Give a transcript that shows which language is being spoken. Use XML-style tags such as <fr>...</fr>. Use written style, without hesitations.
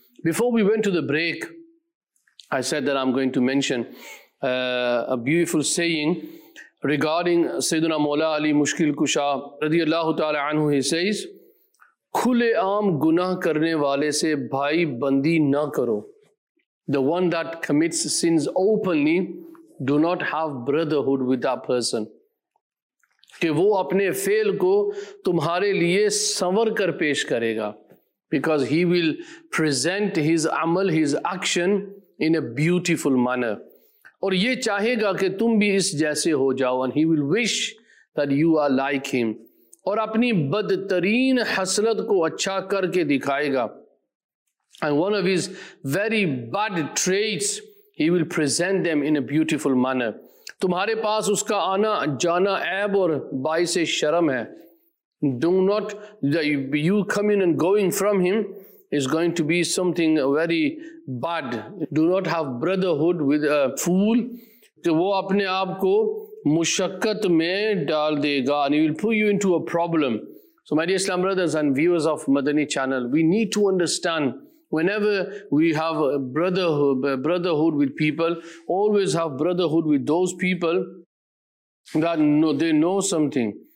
<en>Before we went to the break, I said that I'm going to mention a beautiful saying regarding Sayyidina Mawla Ali Mushkil Kusha radiallahu ta'ala anhu. He says,</en> <ur>khule aam gunah karne wale se bhai bandi na karo.</ur> <en>The one that commits sins openly, do not have brotherhood with that person.</en> <ur>کہ وہ اپنے فعل کو تمہارے لیے سنور کر پیش کرے گا.</ur> <en>because he will present his عمل his action in a beautiful manner,</en> <ur>اور یہ چاہے گا کہ تم بھی اس جیسے ہو جاؤ.</ur> <en>and he will wish that you are like him,</en> <ur>اور اپنی بدترین حسرت کو اچھا کر کے دکھائے گا.</ur> <en>And one of his very bad traits he will present them in a beautiful manner.</en> <ur>تمہارے پاس اس کا آنا جانا عیب اور باعث شرم ہے.</ur> <en>Do not, you coming and going from him is going to be something very bad. Do not have brotherhood with a fool.</en> <ur>تو وہ اپنے آپ کو مشقت میں ڈال دے گا.</ur> <en>And he will put you into a problem. So my dear Islam brothers and viewers of Madani channel, we need to understand, whenever we have brotherhood with people, always have brotherhood with those people that know, they know something.</en>